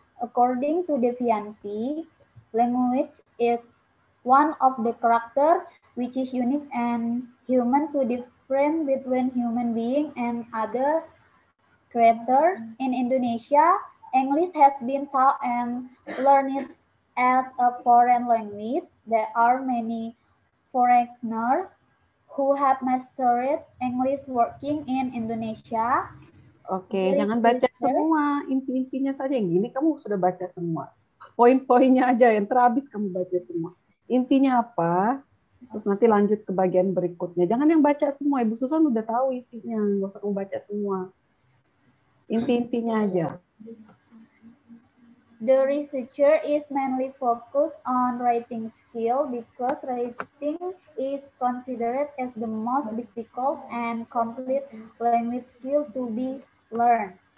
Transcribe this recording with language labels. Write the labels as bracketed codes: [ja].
[en] According to Devianti, language is one of the character which is unique and human to different between human being and other creator. In Indonesia, English has been taught and learned as a foreign language. There are many foreigners who have mastered English working in Indonesia. [id] Oke, okay, jangan baca semua. Inti-intinya saja yang gini, kamu sudah baca semua. Poin-poinnya aja yang terhabis kamu baca semua. Intinya apa? Terus nanti lanjut ke bagian berikutnya. Jangan yang baca semua. Ibu Susan udah tahu isinya. Nggak usah kamu baca semua. Inti-intinya aja. [en] The researcher is mainly focused on writing skill because writing is considered as the most difficult and complete language skill to be learned.